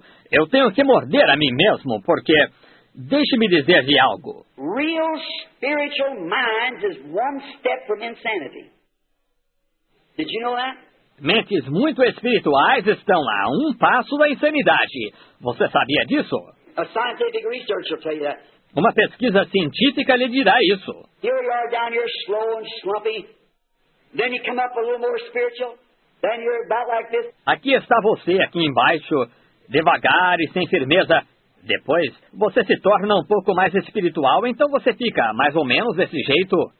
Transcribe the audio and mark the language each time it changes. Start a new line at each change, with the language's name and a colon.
Portuguese: Eu tenho que morder a mim mesmo, porque deixe-me dizer-lhe algo.
English: Real spiritual minds is one step from insanity. Did you know that?
Portuguese: Mentes muito espirituais estão a um passo da insanidade. Você sabia disso?
English: A scientific research will tell you that.
Portuguese: Uma pesquisa científica lhe dirá isso.
English: Here you are down here slow and slumpy. Then you come up a little more spiritual. Then you're about like this.
Portuguese: Aqui está você, aqui embaixo, devagar e sem firmeza. Depois, você se torna um pouco mais espiritual, então você fica mais ou menos desse jeito.